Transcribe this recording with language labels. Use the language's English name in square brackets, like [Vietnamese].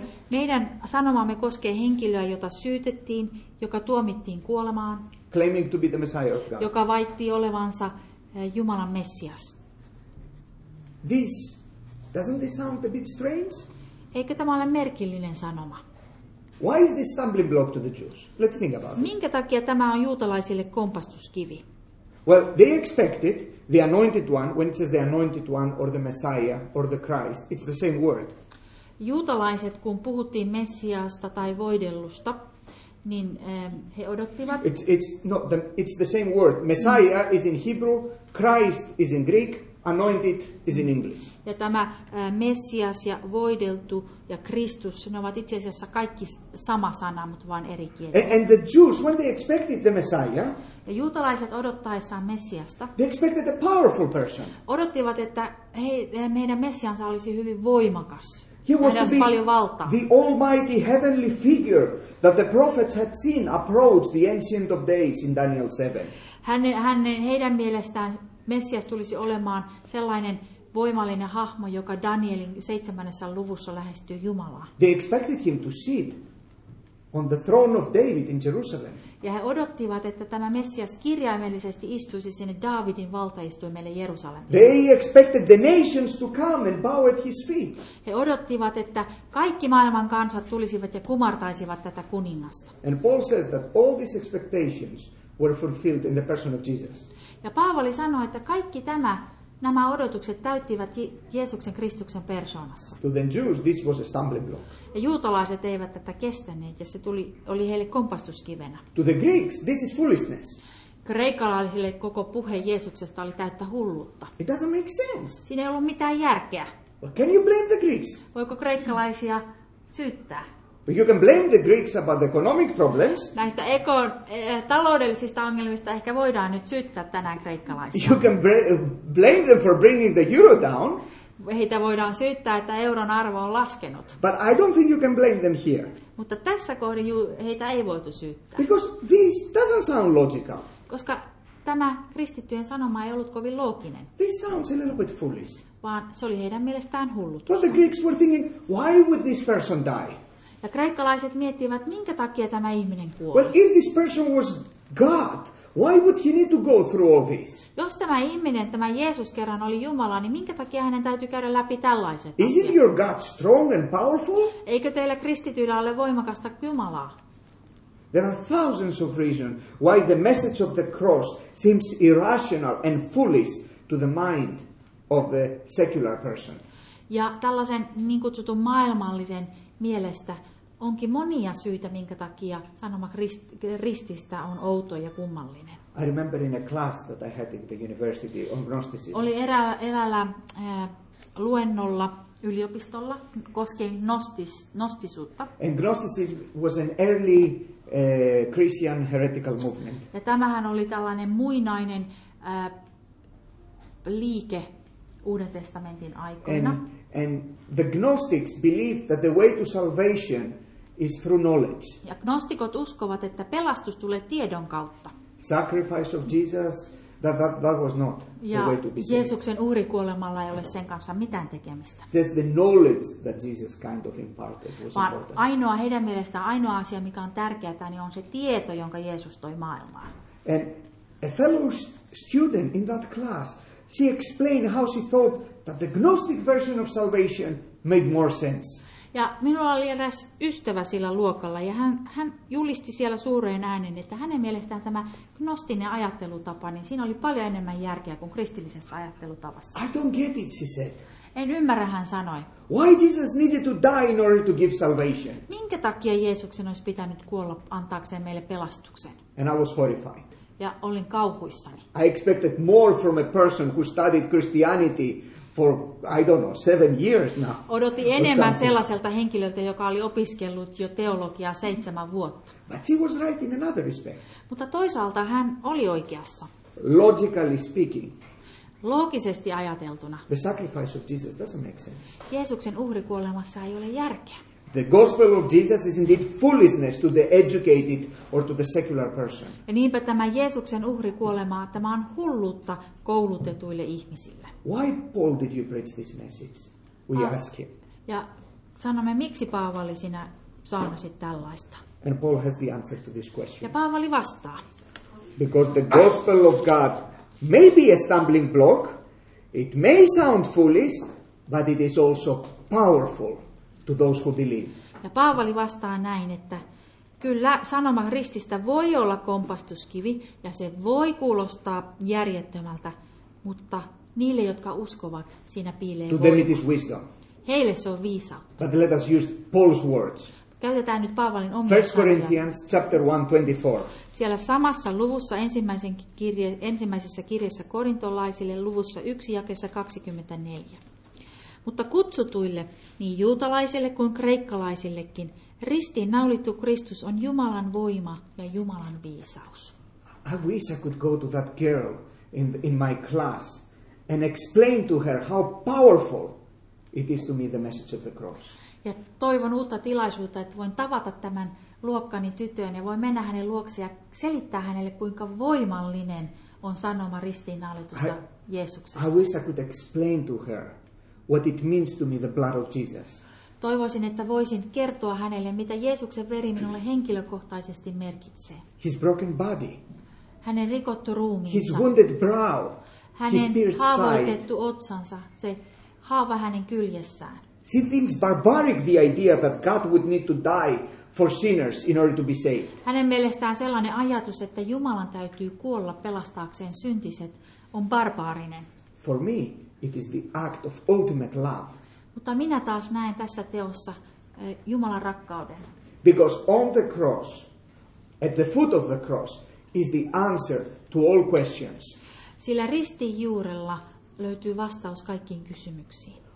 [Finnish] Meidän sanomamme koskee henkilöä, jota syytettiin, joka tuomittiin kuolemaan. [English] Claiming to be the Messiah of God. [Finnish] Joka väitti olevansa Jumalan Messias. [English] This doesn't this sound a bit strange? [Finnish] Eikö tämä ole merkillinen sanoma? [English] Why is this stumbling block to the Jews? Let's think about it. [Finnish] Minkä takia tämä on juutalaisille kompastuskivi? [English] Well, they expected the anointed one, when it says the anointed one or the Messiah or the Christ, it's the same word. [Finnish] Juutalaiset, kun puhuttiin Messiasta tai voidellusta, niin he odottivat. [English] It's the same word. Messiah is in Hebrew, Christ is in Greek. Anointed is in English. [Finnish] Ja tämä Messias ja voideltu ja Kristus, ne ovat itse asiassa kaikki sama sana, mutta vain eri kielellä. [English] And the Jews, when they expected the Messiah, [Finnish] ja juutalaiset odottaessaan Messiasta, [English] they expected a powerful person. [Finnish] Odottivat, että heidän Messiansa olisi hyvin voimakas. [English] He was to be the almighty heavenly figure that the prophets had seen approach the Ancient of Days in Daniel 7. [Finnish] Heidän mielestään Messias tulisi olemaan sellainen voimallinen hahmo, joka Danielin 7. luvussa lähestyy Jumalaa. [English] They expected him to sit on the throne of David in Jerusalem. [Finnish] Ja he odottivat, että tämä Messias kirjaimellisesti istuisi sinne Daavidin valtaistuimelle Jerusalemissa. [English] They expected the nations to come and bow at his feet. [Finnish] He odottivat, että kaikki maailman kansat tulisivat ja kumartaisivat tätä kuningasta. [English] And Paul says that all these expectations were fulfilled in the person of Jesus. [Finnish] Ja Paavali sanoi, että kaikki tämä, nämä odotukset täyttivät Jeesuksen Kristuksen persoonassa. [English] To the Jews, this was a stumbling block. [Finnish] Ja juutalaiset eivät tätä kestäneet, ja se tuli, oli heille kompastuskivenä. [English] To the Greeks, this is foolishness. [Finnish] Kreikalaisille koko puhe Jeesuksesta oli täyttä hulluutta. [English] It doesn't make sense. [Finnish] Siinä ei ollut mitään järkeä. [English] But can you blame the Greeks? [Finnish] Voiko kreikkalaisia syyttää? [English] But you can blame the Greeks about the economic problems. [Finnish] Näistä taloudellisista ongelmista ehkä voidaan nyt syyttää tänään kreikkalaisia. [English] You can blame them for bringing the euro down. [Finnish] Heitä voidaan syyttää, että euron arvo on laskenut. [English] But I don't think you can blame them here. [Finnish] Mutta tässä kohdin heitä ei voitu syyttää. [English] Because this doesn't sound logical. [Finnish] Koska tämä kristittyjen sanoma ei ollut kovin looginen. [English] This sounds a little bit foolish. [Finnish] Vaan se oli heidän mielestään hullutusta. [English] But the Greeks were thinking, why would this person die? [Finnish] Ja kreikkalaiset miettivät, minkä takia tämä ihminen kuoli. [English] Well, if this person was God, why would he need to go through all this? [Finnish] Jos tämä ihminen, tämä Jeesus kerran oli Jumala, niin minkä takia hänen täytyy käydä läpi tällaiset asiat? [English] Isn't your God strong and powerful? [Finnish] Eikö teillä kristityillä ole voimakasta Jumalaa? [English] There are thousands of reasons why the message of the cross seems irrational and foolish to the mind of the secular person. [Finnish] Ja tällaisen niin kutsutun maailmallisen mielestä onkin monia syitä, minkä takia sanoma rististä on outo ja kummallinen. [English] I remember in a class that I had in the university on gnosticism. [Finnish] Oli eräällä luennolla yliopistolla koskien gnostisuutta. [English] And gnosticism was an early Christian heretical movement. [Finnish] Ja tämähän oli tällainen muinainen liike Uuden testamentin aikoina. [English] And the gnostics believed that the way to salvation is through knowledge. [Finnish] Ja gnostikot uskovat, että pelastus tulee tiedon kautta. [English] Sacrifice of Jesus, that was not the [Finnish] ja [English] way to be saved. [Finnish] Jeesuksen uhri kuolemalla ei ole sen kanssa mitään tekemistä. [English] Just the knowledge that Jesus kind of imparted was [Finnish] vaan [English] important. [Finnish] Ainoa heidän mielestään ainoa asia, mikä on tärkeää, niin on se tieto, jonka Jeesus toi maailmaan. [English] And a fellow student in that class, she explained how she thought that the gnostic version of salvation made more sense. [Finnish] Ja minulla oli eräs ystävä sillä luokalla, ja hän julisti siellä suureen äänen, että hänen mielestään tämä gnostinen ajattelutapa, niin siinä oli paljon enemmän järkeä kuin kristillisessä ajattelutavassa. [English] I don't get it, she said. [Finnish] En ymmärrä, hän sanoi. [English] Why Jesus needed to die in order to give salvation? [Finnish] Minkä takia Jeesuksen olisi pitänyt kuolla antaakseen meille pelastuksen? [English] And I was horrified. [Finnish] Ja olin kauhuissani. [English] I expected more from a person who studied Christianity for, I don't know, 7 years now. [Finnish] Odotin enemmän sellaiselta henkilöltä, joka oli opiskellut jo teologiaa 7 vuotta. [English] But she was right in another respect. [Finnish] Mutta toisaalta hän oli oikeassa. [English] Logically speaking. [Finnish] Loogisesti ajateltuna. [English] The sacrifice of Jesus doesn't make sense. [Finnish] Jeesuksen uhri kuolemassa ei ole järkeä. [English] The gospel of Jesus is indeed foolishness to the educated or to the secular person. [Finnish] Ja niinpä tämä Jeesuksen uhri kuolemaa, tämä on hulluutta koulutetuille ihmisille. [English] Why Paul did you preach this message? We ask him. [Finnish] Ja sanomme, miksi Paavali sinä saarnasit tällaista? [English] And Paul has the answer to this question. [Finnish] Ja Paavali vastaa. [English] Because the gospel of God may be a stumbling block, it may sound foolish, but it is also powerful to those who believe. [Finnish] Ja Paavali vastaa näin, että kyllä sanoma rististä voi olla kompastuskivi ja se voi kuulostaa järjettömältä, mutta niille, jotka uskovat, siinä piilee voima. [English] To them it is wisdom. [Finnish] Heille se on viisautta. [English] But let us use Paul's words. [Finnish] Käytetään nyt Paavalin omia sanoja. [English] 1 Corinthians chapter 1:24. [Finnish] Siellä samassa luvussa ensimmäisessä kirjassa korintolaisille luvussa 1 jakessa 24. Mutta kutsutuille, niin juutalaisille kuin kreikkalaisillekin, ristiin naulittu Kristus on Jumalan voima ja Jumalan viisaus. [English] I wish I could go to that girl in my class and explain to her how powerful It is to me the message of the cross. [Finnish] Ja toivon uutta tilaisuutta, että voin tavata tämän luokkani tytön ja voin mennä hänen luokse ja selittää hänelle, kuinka voimallinen on sanoma ristiinnaulitusta Jeesuksesta. [English] I wish I could explain to her what it means to me the blood of Jesus. [Finnish] Toivoisin, että voisin kertoa hänelle, mitä Jeesuksen veri minulle henkilökohtaisesti merkitsee. [English] His broken body. [Finnish] Hänen rikottu ruumiinsa. [English] His wounded brow. [Finnish] Hänen haavoitettu otsansa, se haava hänen kyljessään. [English] She thinks barbaric the idea that God would need to die for sinners in order to be saved. [Finnish] Hänen mielestään sellainen ajatus, että Jumalan täytyy kuolla pelastaakseen syntiset, on barbaarinen. [English] For me, it is the act of ultimate love. [Finnish] Mutta minä taas näen tässä teossa Jumalan rakkauden. [English] Because on the cross, at the foot of the cross, is the answer to all questions. [Finnish] Sillä ristin juurella löytyy vastaus kaikkiin kysymyksiin.